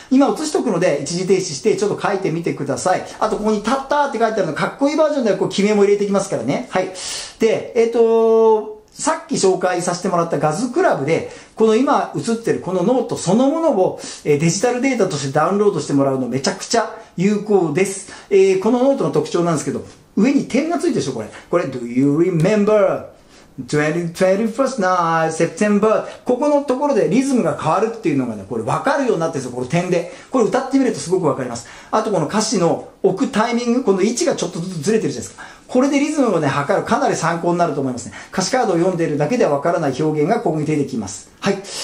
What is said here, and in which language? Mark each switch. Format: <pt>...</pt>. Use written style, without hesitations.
<ja>今映しとくので、一時停止して、ちょっと書いてみてください。あと、ここにタッターって書いてあるの、かっこいいバージョンではこう、決めも入れていきますからね。はい。で、さっき紹介させてもらったガズクラブで、この今映ってるこのノートそのものをデジタルデータとしてダウンロードしてもらうのめちゃくちゃ有効です。このノートの特徴なんですけど、上に点がついてるでしょ、これ。</ja> <en>これ、Do you remember 21st night, September?</en> <ja>ここのところでリズムが変わるっていうのがね、これ分かるようになってるんですよ、この点で。これ歌ってみるとすごく分かります。あとこの歌詞の置くタイミング、この位置がちょっとずつずれてるじゃないですか。これでリズムをね、測る、かなり参考になると思いますね。歌詞カードを読んでいるだけではわからない表現がここに出てきます。はい。</ja>